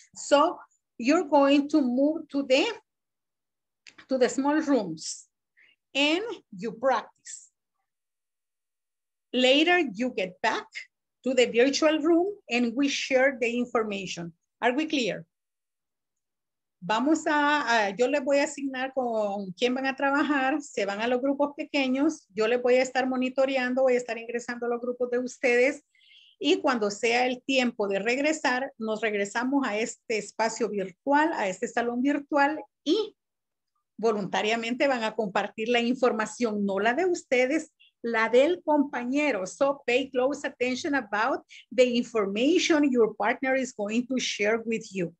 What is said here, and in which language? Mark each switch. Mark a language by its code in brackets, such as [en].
[en] So you're going to move to the small rooms and you practice. Later, you get back to the virtual room and we share the information. Are we clear? [es] Vamos a yo les voy a asignar con quién van a trabajar. Se van a los grupos pequeños. Yo les voy a estar monitoreando, voy a estar ingresando a los grupos de ustedes. Y cuando sea el tiempo de regresar, nos regresamos a este espacio virtual, a este salón virtual y voluntariamente van a compartir la información, no la de ustedes, la del compañero. [en] So pay close attention about the information your partner is going to share with you.